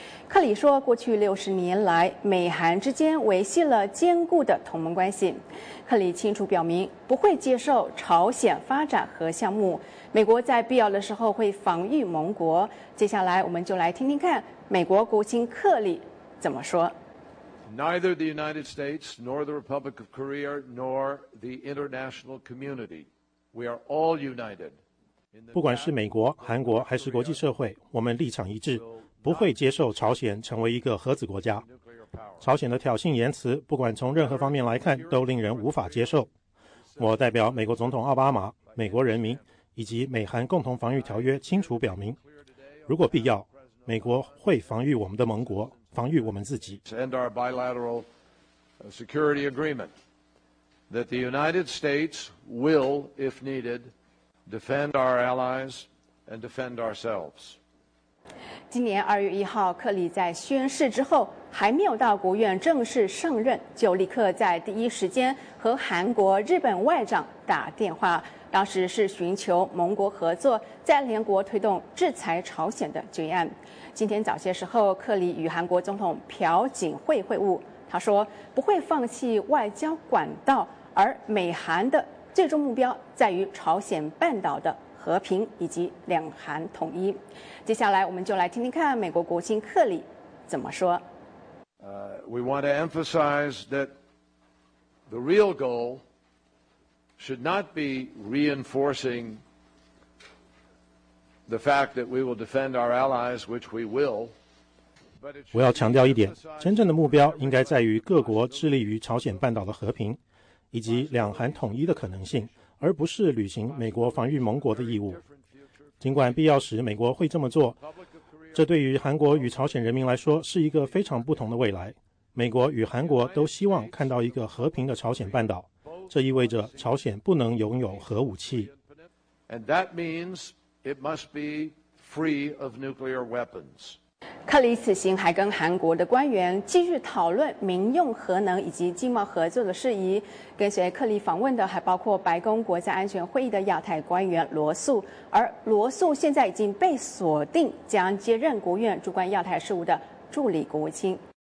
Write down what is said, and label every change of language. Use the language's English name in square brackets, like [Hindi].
[Chinese] 克里说，过去60年来，美韩之间维系了坚固的同盟关系。克里清楚表明，不会接受朝鲜发展核项目。美国在必要的时候会防御盟国。接下来，我们就来听听看美国国务卿克里怎么说。 [English] Neither the United States nor the Republic of Korea nor the international community, we are all united. [Chinese] 不管是美国、韩国还是国际社会，我们立场一致，不会接受朝鲜成为一个核子国家。朝鲜的挑衅言辞，不管从任何方面来看，都令人无法接受。我代表美国总统奥巴马、美国人民以及美韩共同防御条约清楚表明，如果必要，美国会防御我们的盟国，防御我们自己。 [English] And our bilateral security agreement that the United States will, if needed, defend our allies and defend ourselves. [Chinese] 今年2月1日，克里在宣誓之后还没有到国务院正式上任，就立刻在第一时间和韩国、日本外长打电话，当时是寻求盟国合作，在联国推动制裁朝鲜的决议案。今天早些时候，克里与韩国总统朴槿惠会晤，他说不会放弃外交管道，而美韩的最终目标在于朝鲜半岛的和平以及两韩统一。接下来我们就来听听看美国国务卿克里怎么说。 [English] We want to emphasize that the real goal should not be reinforcing the fact that we will defend our allies, which we will. [Chinese] 我要强调一点，真正的目标应该在于各国致力于朝鲜半岛的和平以及两韩统一的可能性，而不是履行美国防御盟国的义务。尽管必要时美国会这么做，这对于韩国与朝鲜人民来说是一个非常不同的未来。美国与韩国都希望看到一个和平的朝鲜半岛，这意味着朝鲜不能拥有核武器。 [English] And that means it must be free of nuclear weapons. [Chinese] 克里此行还跟韩国的官员继续讨论民用核能以及经贸合作的事宜。跟随克里访问的还包括白宫国家安全会议的亚太官员罗素，而罗素现在已经被锁定将接任国务院主管亚太事务的助理国务卿。